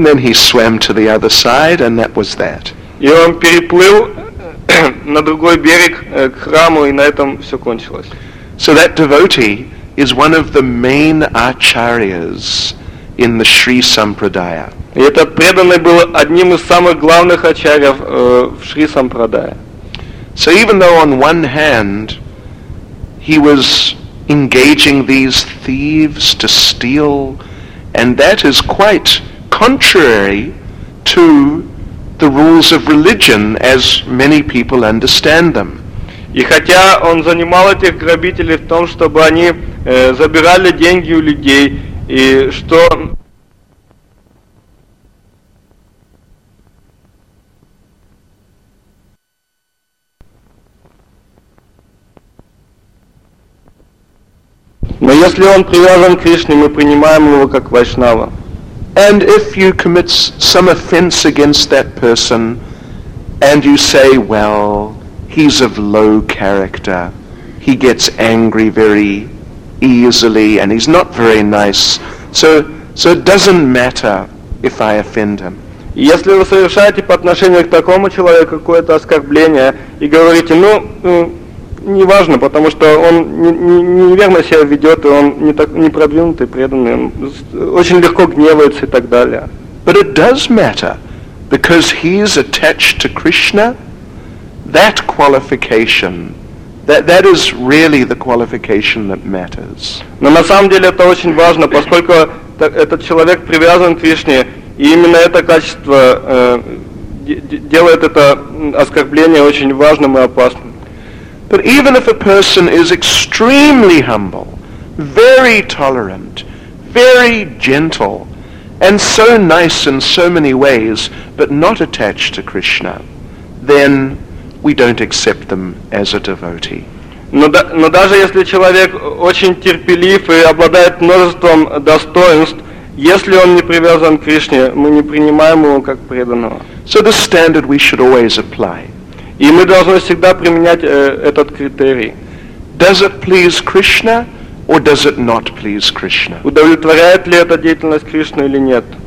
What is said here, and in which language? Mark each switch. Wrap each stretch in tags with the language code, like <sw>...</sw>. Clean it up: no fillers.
<en>And then he swam to the other side, and that was that.</en> <ru>И он переплыл на другой берег к храму, и на этом все кончилось.</ru> <en>So that devotee is one of the main acharyas in the Sri Sampradaya.</en> <ru>И этот преданный был одним из самых главных ачарьев в Шри Сампрадая.</ru> <en>So even though on one hand he was engaging these thieves to steal, and that is quite contrary to the rules of religion as many people understand them.</en> <ru>И хотя он занимал этих грабителей в том, чтобы они забирали деньги у людей, и что но если он привязан к Кришне, мы принимаем его как вайшнава.</ru> <en>And if you commit some offense against that person and you say, well, he's of low character, he gets angry very easily, and he's not very nice, so it doesn't matter if I offend him.</en> <ru>Если вы совершаете по отношению к такому человеку какое-то оскорбление и говорите, ну, не важно, потому что он неверно себя ведет, и он не так не продвинутый, преданный, он очень легко гневается и так далее.</ru> <en>But it does matter, because he is attached to Krishna. That qualification, that is really the qualification that matters.</en> <ru>Но на самом деле это очень важно, поскольку этот человек привязан к Кришне, и именно это качество делает это оскорбление очень важным и опасным.</ru> <en>But even if a person is extremely humble, very tolerant, very gentle, and so nice in so many ways, but not attached to Krishna, then we don't accept them as a devotee.</en> <ru>Но даже если человек очень терпелив и обладает множеством достоинств, если он не привязан к Кришне, мы не принимаем его как преданного.</ru> <en>So the standard we should always apply.</en> <ru>И мы должны всегда применять этот критерий.</ru> <en>Does it please Krishna or does it not please Krishna?</en> <ru>Удовлетворяет ли эта деятельность Кришну или нет?</ru>